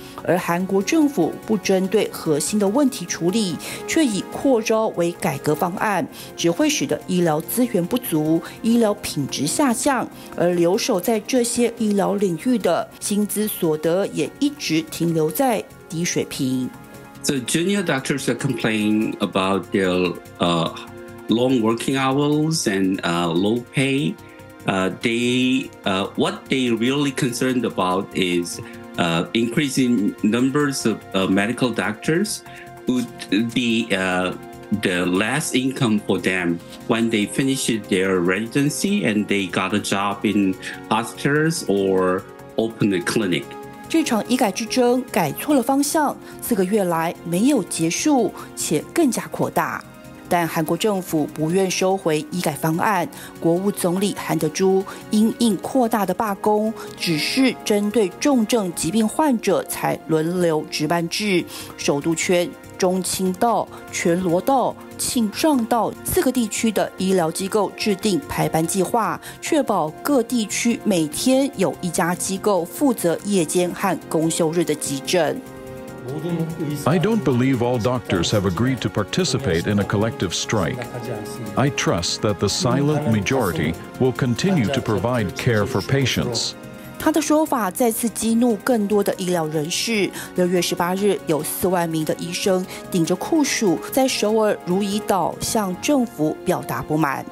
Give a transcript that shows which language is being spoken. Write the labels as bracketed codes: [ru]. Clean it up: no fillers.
[zh] 而韩国政府不针对核心的问题处理，却以扩招为改革方案，只会使得医疗资源不足，医疗品质下降，而留守在这些医疗领域的薪资所得也一直停留在低水平。 [en] The junior doctors are complaining about their long working hours and low pay. What they really concerned about isincreasing numbers of medical doctors would be the last income for them when they finish their residency and they got a job in hospitals or open a clinic. [zh] 这场医改之争改错了方向，四个月来没有结束，且更加扩大。但韩国政府不愿收回医改方案，国务总理韩德洙因应扩大的罢工，只是针对重症疾病患者才轮流值班制。首都圈、中清道、全罗道、庆尚道四个地区的医疗机构制定排班计划，确保各地区每天有一家机构负责夜间和公休日的急诊。 [en] I don't believe all doctors have agreed to participate in a collective strike. I trust that the silent majority will continue to provide care for patients. [zh] 他的说法再次激怒更多的医疗人士。 6月18日，有4万名的医生顶着酷暑，在首尔如意岛向政府表达不满。